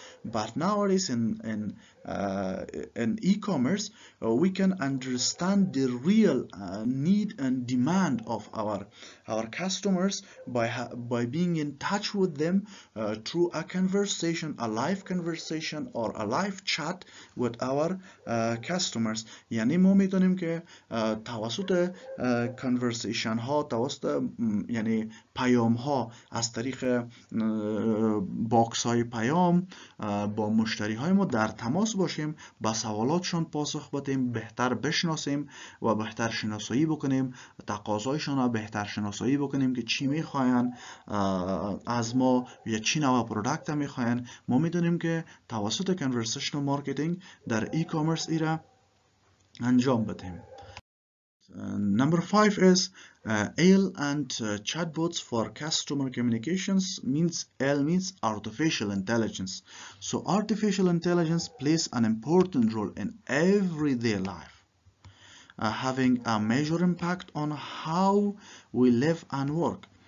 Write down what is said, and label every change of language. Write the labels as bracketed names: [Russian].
[English] But nowadays in e-commerce, we can understand the real need and demand of our customers by being in touch with them through a conversation, a live conversation or a live chat with our customers. [Persian] یعنی ما میتونیم که توسط conversation ها توسط یعنی پیام ها از طریق باکس های پیام با مشتری های ما در تماس باشیم با سوالاتشان پاسخ بدیم بهتر بشناسیم و بهتر شناسایی بکنیم تقاضایشان را بهتر شناسایی بکنیم که چی میخواین از ما یا چی نوع پروڈکت میخواین ما میدونیم که توسط کنورسیشنال مارکتینگ در ای کامرس ای را انجام بدیم [English] Number five is AI and chatbots for customer communications. Means AI means artificial intelligence. So artificial intelligence plays an important role in everyday life, having a major impact on how we live and work.